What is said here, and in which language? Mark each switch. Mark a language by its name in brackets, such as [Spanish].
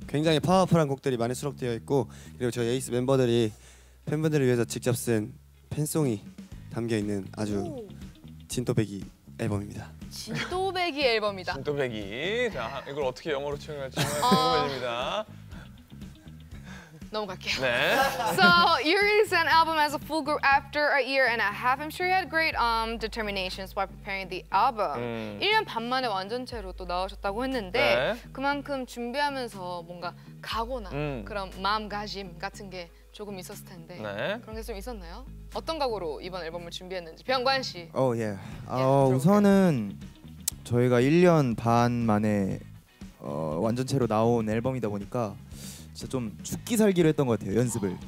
[Korean] 굉장히 파워풀한 곡들이 많이 수록되어 있고 그리고 저희 Ace 멤버들이 팬분들을 위해서 직접 쓴 팬송이 담겨 있는 아주 오. 진또배기 앨범입니다. 진또배기 앨범이다. 진또배기. 자, 이걸 어떻게 영어로 칭할지 궁금해집니다. 넘어갈게요. 네. [English] So, you released an album as a full group after a year and a half. I'm sure you had great determinations while preparing the album. [Korean] 1년 반 만에 완전체로 또 나오셨다고 했는데 네. 그만큼 준비하면서 뭔가 각오나 그런 마음가짐 같은 게 조금 있었을 텐데 네. 그런 게 좀 있었나요? 어떤 각오로 이번 앨범을 준비했는지 병관 씨. 오 예. 우선은 저희가 1년 반 만에 완전체로 나온 앨범이다 보니까 진짜 좀 죽기 살기로 했던 것 같아요 연습을.